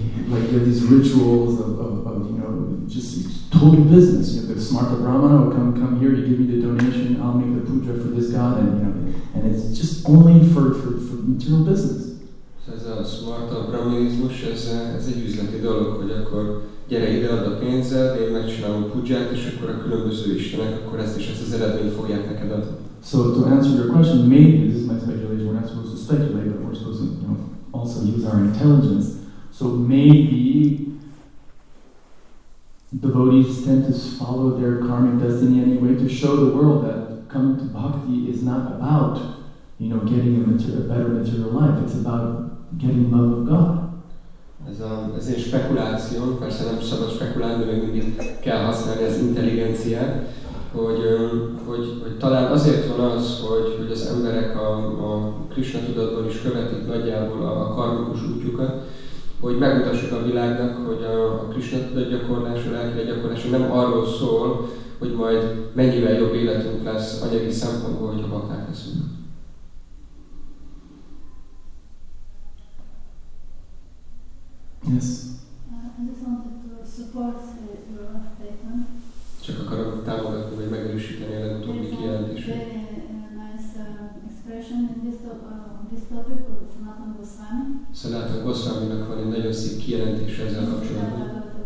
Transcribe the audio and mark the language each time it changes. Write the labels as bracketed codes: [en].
[en] Like you have these rituals of you know, just total business. You have the Smartha Brahmana, come here, you give me the donation, I'll make the puja for this god, and you know, and it's just only for material business. [hu] Ez a Smartha Brahmanizmus, ez egy üzleti dolog, hogy akkor gyere ide, add a pénzed, én megcsinálom a pudzsát, és akkor a különböző istenek, akkor ezt is ezt az eredményt fogják neked adni. [en] So to answer your question, maybe, this is my speculation, we're not supposed to speculate, but we're supposed to, you know, also use our intelligence. So maybe devotees tend to follow their karmic destiny anyway to show the world that coming to bhakti is not about, you know, getting a better material life, it's about getting love of God. [hu] Ez egy spekuláció, persze nem szabad spekulálni, még mindig kell használni az intelligenciát, hogy talán azért van az, hogy az emberek a Krishna tudatban is követik nagyjából a karmikus útjukat, hogy megmutassuk a világnak, hogy a Krishna tudat gyakorlása, a lelki gyakorlása nem arról szól, hogy majd mennyivel jobb életünk lesz anyagi szempontból, hogyha bakták leszünk. [en] Yes. I just wanted to support your last statement. [hu] Csak akarok támogatni, vagy megerősíteni a legutóbbi kijelentését. [en] Very nice expression in this topic of Sanatan Goswami. [hu] Sanatan Goswami-nak van egy nagyon szép kijelentése ezzel kapcsolatban.